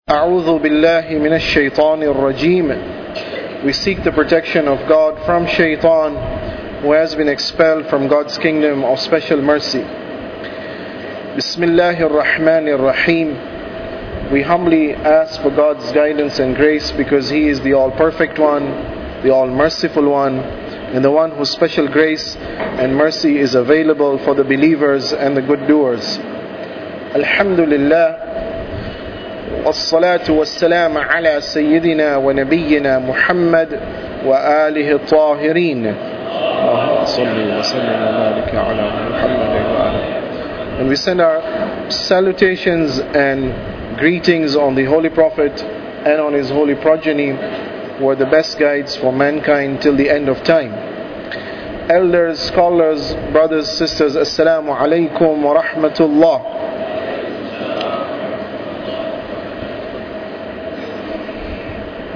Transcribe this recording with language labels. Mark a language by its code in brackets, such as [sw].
[ar] أعوذ بالله من الشيطان الرجيم. [en] We seek the protection of God from Shaitan, who has been expelled from God's kingdom of special mercy. [ar] بسم الله الرحمن الرحيم. [en] We humbly ask for God's guidance and grace because He is the All-Perfect One, the All-Merciful One, and the One whose special grace and mercy is available for the believers and the good doers. [ar] Alhamdulillah. والصلاة والسلام على سيدنا ونبينا محمد وآله الطاهرين. [en] And we send our salutations and greetings on the Holy Prophet and on his holy progeny, who are the best guides for mankind till the end of time. Elders, scholars, brothers, sisters, assalamu alaykum wa rahmatullah.